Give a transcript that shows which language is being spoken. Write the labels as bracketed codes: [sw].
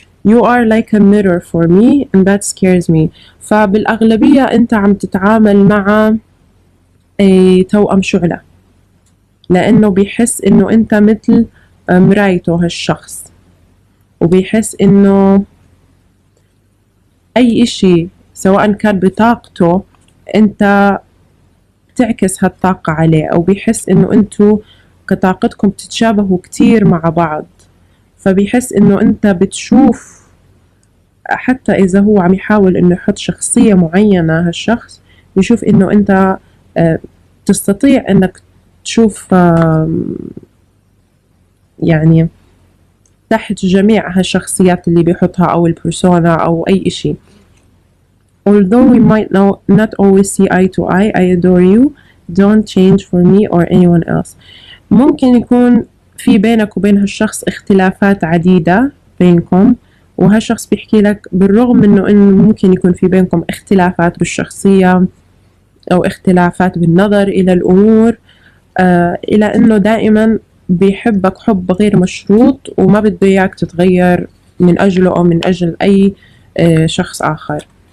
[en] You are like a mirror for me and that scares me. [ar] فبالأغلبية أنت عم تتعامل مع توأم شعلة، لأنه بيحس إنه أنت مثل مرايته هالشخص، وبيحس إنه أي إشي سواء كان بطاقته أنت بتعكس هالطاقة عليه، أو بيحس إنه أنتو كطاقتكم بتتشابهوا كتير مع بعض، فبيحس إنه أنت بتشوف، حتى إذا هو عم يحاول إنه يحط شخصية معينة هالشخص، بيشوف إنه أنت تستطيع إنك تشوف يعني تحت جميع هالشخصيات اللي بيحطها أو البرسونا أو أي إشي. [en] Although we might not always see eye to eye, I adore you. Don't change for me or anyone else. [ar] ممكن يكون في بينك وبين هالشخص اختلافات عديدة بينكم، وهالشخص بيحكي لك بالرغم من إنه ممكن يكون في بينكم اختلافات بالشخصية أو اختلافات بالنظر إلى الأمور، إلى إنه دائما بيحبك حب غير مشروط وما بده إياك تتغير من أجله أو من أجل أي شخص آخر.